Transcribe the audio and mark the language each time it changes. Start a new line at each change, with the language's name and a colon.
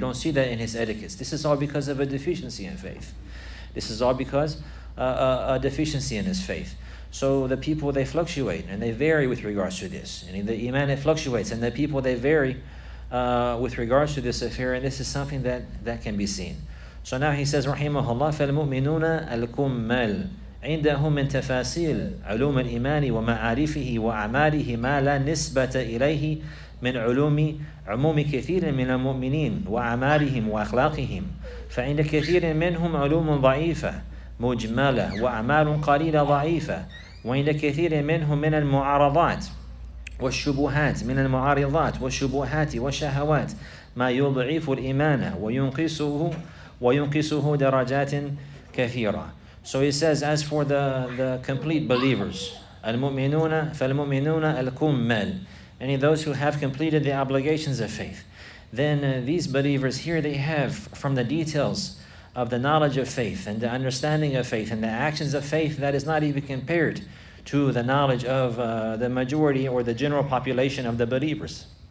English: You don't see that in his etiquettes. This is all because of a deficiency in faith. This is all because a deficiency in his faith. So the people, they fluctuate, and they vary with regards to this. And the iman, it fluctuates, and the people, they vary with regards to this affair, and this is something that can be seen. So now he says,
Arabic: Rahimahullah, فَالْمُؤْمِنُونَ الْكُمَّلُ عِنْدَهُمْ مِنْ تَفَاسِيلِ عُلُومِ الْإِيمَانِ وَمَعَارِفِهِ وَأَعْمَالِهِ مَا لَا نِسْبَةَ إِلَيْهِ مِنْ عُلُومِ عُمُومِ كَثِيرٍ مِنَ الْمُؤْمِنِينَ وَأَعْمَالِهِمْ وَأَخْلَاقِهِمْ فَعِنْدَ كَثِيرٍ مِنْهُمْ عُلُومٌ ضَعِيفَةٌ مُجْمَلَةٌ وَأَعْمَالٌ قَلِيلَةٌ ضَعِيفَةٌ وَعِنْدَ كَثِيرٍ مِنْهُمْ مِنَ الْمُعَارَضَاتِ والشبهات من المعارضات والشبهات والشهوات ما يضعف الإيمان وينقصه درجات كثيرة.
English: So he says, as for the complete believers,
Arabic: المؤمنون فالمؤمنون الكمال,
English: and those who have completed the obligations of faith, then these believers here, they have from the details of the knowledge of faith and the understanding of faith and the actions of faith that is not even compared to the knowledge of the majority or the general population of the believers.